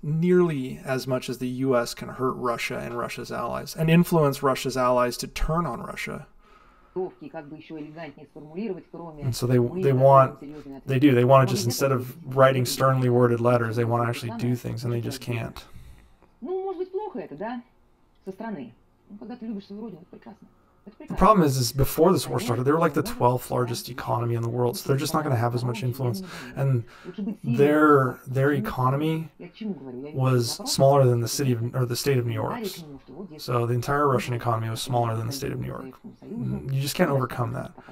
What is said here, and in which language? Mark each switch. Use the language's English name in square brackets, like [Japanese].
[English] nearly as much as the U.S. can hurt Russia and Russia's allies and influence Russia's allies to turn on Russia. And so they want to just, instead of writing sternly worded letters, they want to actually do things, and they just can't. [Russian] Ну, может быть, плохо это, да, со стороны. Ну, когда ты любишь свою родину, это прекрасно. [English] The problem is before this war started, they were like the 12th largest economy in the world. So they're just not going to have as much influence. And their economy was smaller than the state of New York's. So the entire Russian economy was smaller than the state of New York. You just can't overcome that.